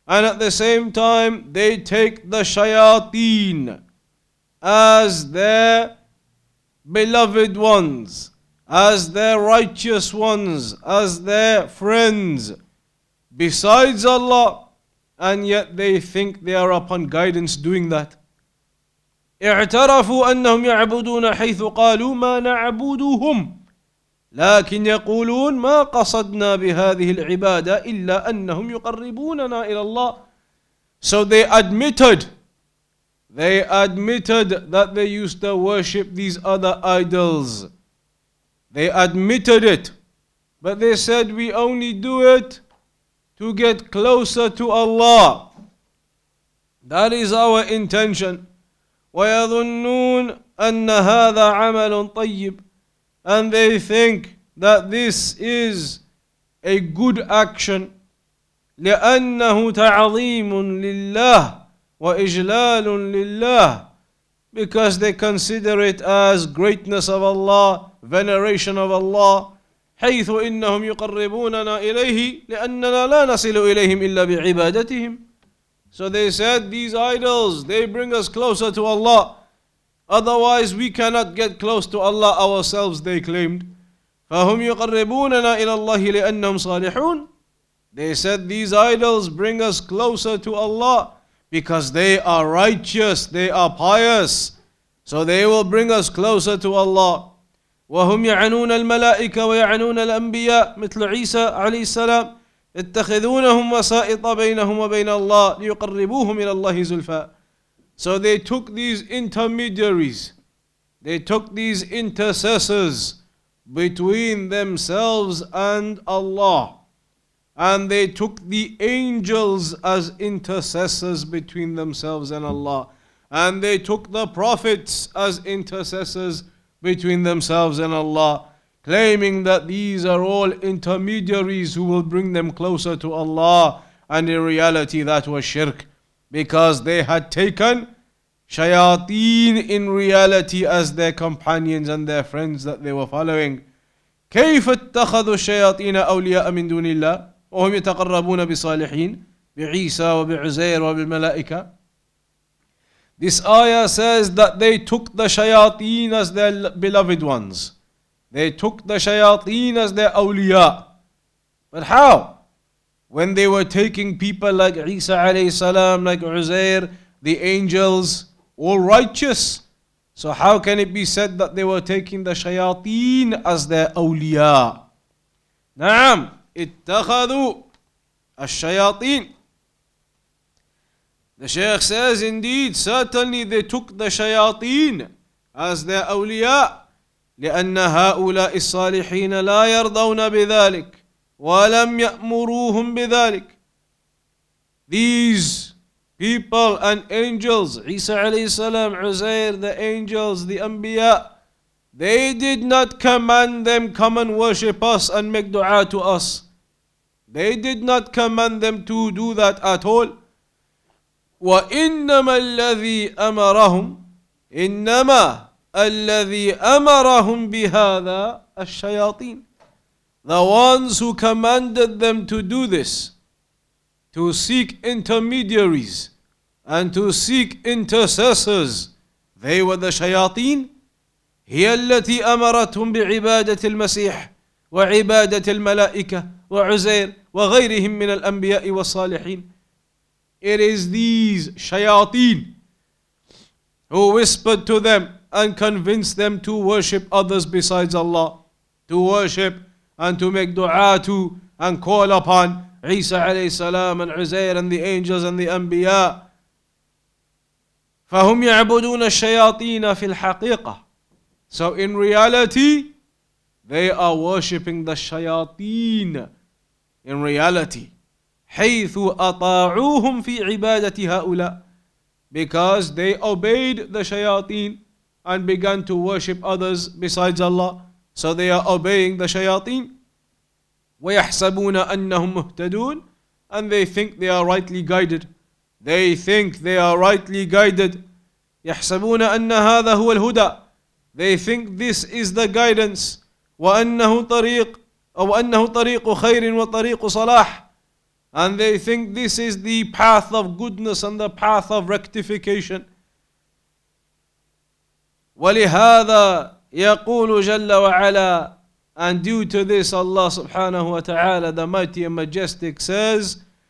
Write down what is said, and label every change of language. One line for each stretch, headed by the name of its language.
English: And at the same time, they take the shayateen as their beloved ones, as their righteous ones, as their friends, besides Allah, and yet they think they are upon guidance doing that.
Arabic: اعترفوا أنهم يعبدون حيث قالوا ما نعبدهم لكن يقولون ما قصدنا بهذه العبادة إلا أنهم يقربوننا إلى الله.
English: So they admitted that they used to worship these other idols. They admitted it, But they said, we only do it to get closer to Allah. That is our intention.
Arabic: ويظنون أن هذا عمل طيب.
English: And they think that this is a good action.
Arabic: لأنه تعظيم لله وإجلال لله.
English: Because they consider it as greatness of Allah, veneration of Allah.
Arabic: حيث إنهم يقربوننا إليه لأننا لا نصل إليهم إلا بعبادتهم.
English: So they said, these idols, they bring us closer to Allah. Otherwise, we cannot get close to Allah ourselves, they claimed.
Arabic: فَهُمْ يُقَرِّبُونَنَا إِلَى اللَّهِ لِأَنَّهُمْ صَالِحُونَ.
English: They said, these idols bring us closer to Allah because they are righteous, they are pious. So they will bring us closer to Allah.
Arabic: وَهُمْ يَعَنُونَ الْمَلَائِكَ وَيَعَنُونَ الْأَنْبِيَاءِ مِثْلُ عِيسَى عَلَيْهِ السَّلَامِ اتخذونهم وسائط بينهم وبين الله ليقربوهم إلى الله زلفا.
English: So they took these intermediaries, they took these intercessors between themselves and Allah, and they took the angels as intercessors between themselves and Allah, and they took the prophets as intercessors between themselves and Allah, claiming that these are all intermediaries who will bring them closer to Allah. And in reality, that was shirk, because they had taken shayateen in reality as their companions and their friends that they were following.
Arabic: كيف اتخذوا الشياطين أولياء من دون الله وهم يتقربون بصالحين بعيسى وبعزير وبالملائكة.
English: This ayah says that they took the shayateen as their beloved ones. They took the shayateen as their awliya. But how? When they were taking people like Isa alayhi salam, like Uzair, the angels, all righteous. So how can it be said that they were taking the shayateen as their awliya?
Arabic: Naam, ittakhadu ash-shayateen.
English: The Shaykh says, indeed, certainly they took the shayateen as their awliya.
Arabic: لأن هؤلاء الصالحين لا يرضون بذلك ولم يأمروهم بذلك.
English: These people and angels, Isa alayhi salam, Uzair, the angels, the Anbiya, they did not command them, come and worship us and make dua to us. They did not command them to do that at all.
Arabic: وإنما الذي أمرهم إنما الذي أمرهم بهذا الشياطين.
English: The ones who commanded them to do this, to seek intermediaries and to seek intercessors, they were the shayateen.
Arabic: هي التي أمرتهم بعبادة المسيح وعبادة الملائكة وعزير وغيرهم من الأنبياء والصالحين.
English: It is these shayateen who whispered to them and convince them to worship others besides Allah, to worship and to make dua to and call upon Isa alayhi salam and Uzair and the angels and the anbiya.
Arabic: فَهُمْ يَعْبُدُونَ الشَّيَاطِينَ فِي الْحَقِيقَةِ.
English: So in reality, they are worshipping the shayateen in reality.
Arabic: حَيْثُ أَطَاعُوهُمْ فِي عِبَادَةِ هَؤُلَاء.
English: Because they obeyed the shayateen and began to worship others besides Allah. So they are obeying the shayateen.
Arabic: وَيَحْسَبُونَ أَنَّهُمْ مُهْتَدُونَ.
English: And they think they are rightly guided. They think they are rightly guided.
Arabic: يَحْسَبُونَ أَنَّ هَذَا هُوَ الْهُدَى.
English: They think this is the guidance.
Arabic: وَأَنَّهُ طَرِيقُ أَوْ أَنَّهُ طَرِيقُ خَيْرٍ وَطَرِيقُ صَلَاحٍ.
English: And they think this is the path of goodness and the path of rectification.
Arabic: وَلِهَذَا يَقُولُ جَلَّ وَعَلَىٰ.
English: And due to this, Allah subhanahu wa ta'ala, the mighty and majestic, says,